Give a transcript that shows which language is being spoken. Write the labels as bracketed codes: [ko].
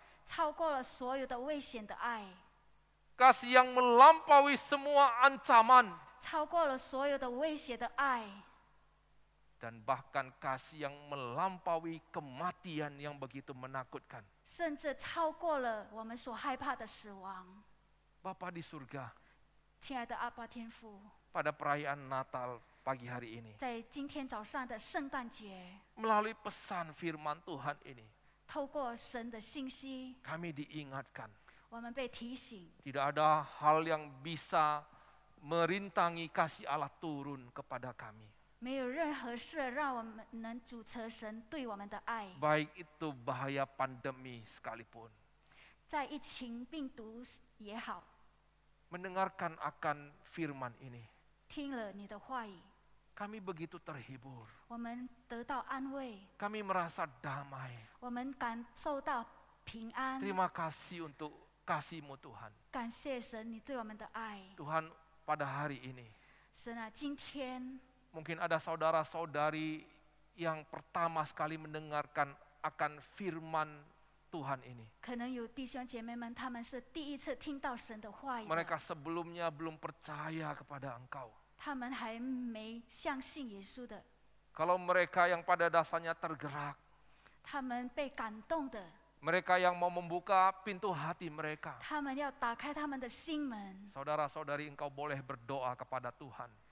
[zh] 超过了所有的危险的爱, [id] kasih yang melampaui semua ancaman. [zh] 超过了所有的威胁的爱, [id] dan bahkan kasih yang melampaui kematian yang begitu menakutkan. [zh] 甚至超过了我们所害怕的死亡。 [id] Bapa di surga, [zh] 亲爱的阿爸天父, [id] pada perayaan Natal pagi hari ini, [zh] 在今天早上的圣诞节, [id] melalui pesan firman Tuhan ini, [zh] 透过神的信息, [id] kami diingatkan, [zh] 我们被提醒, [id] tidak ada hal yang bisa merintangi kasih Allah turun kepada kami. [zh] 没有任何事让我们能阻止神对我们的爱, [id] baik itu bahaya pandemi sekalipun, [zh] 在疫情病毒也好, [id] mendengarkan akan firman ini, [zh] 听了你的话语, [id] kami begitu terhibur, [zh] 我们得到安慰, [id] kami merasa damai, [zh] 我们感受到平安, [id] terima kasih untuk kasih-Mu Tuhan, [zh] 感谢神你对我们的爱, [id] Tuhan pada hari ini. [zh] 神啊, 今天, [id] mungkin ada saudara-saudari yang pertama sekali mendengarkan akan firman Tuhan ini. [zh] 可能有弟兄姐妹们, 他们是第一次听到神的话语的, [id] mereka sebelumnya belum percaya kepada Engkau. [zh] 他们还没相信耶稣的, [id] kalau mereka yang pada dasarnya tergerak, [zh] 他们被感动的, [id] mereka yang mau membuka pintu hati mereka, [zh] 他们要打开他们的心门, [id] saudara-saudari Engkau boleh berdoa kepada Tuhan.